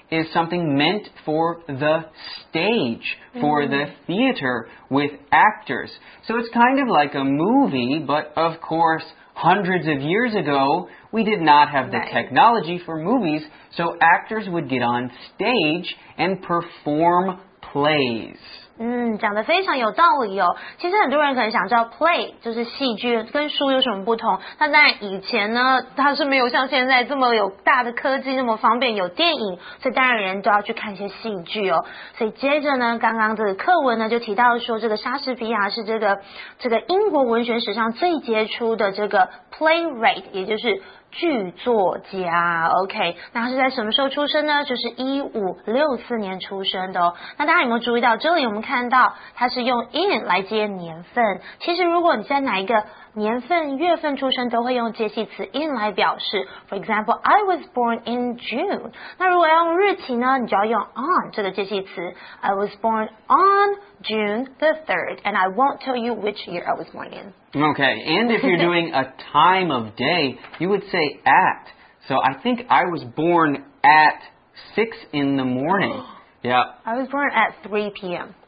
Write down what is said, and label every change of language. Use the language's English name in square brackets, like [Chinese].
[English] is something meant for the stage, for the theater with actors. So it's kind of like a movie, but of course, hundreds of years ago, we did not have the technology for movies, so actors would get on stage and perform plays. [Chinese] 讲得非常有道理哦。其实很多人可能想知道 play 就是戏剧跟书有什么不同，那在以前呢，它是没有像现在这么有大的科技那么方便有电影，所以当然人都要去看一些戏剧哦。所以接着呢，刚刚这个课文呢就提到说，这个莎士比亚是这个英国文学史上最杰出的这个 playwright， 也就是剧作家。 OK， 那他是在什么时候出生呢？就是1564年出生的哦。那大家有没有注意到这里，我们看到他是用 in 来接年份。其实如果你在哪一个年份月份出生，都会用介系词 in 来表示。 [English] For example, I was born in June。 [Chinese] 那如果要用日期呢，你就要用 on 这个介系词。 [English] I was born on June the 3rd and I won't tell you which year I was born in。 Okay, and if you're doing a time of day, you would say at. So I think I was born at 6 in the morning. Yeah. I was born at 3 p.m.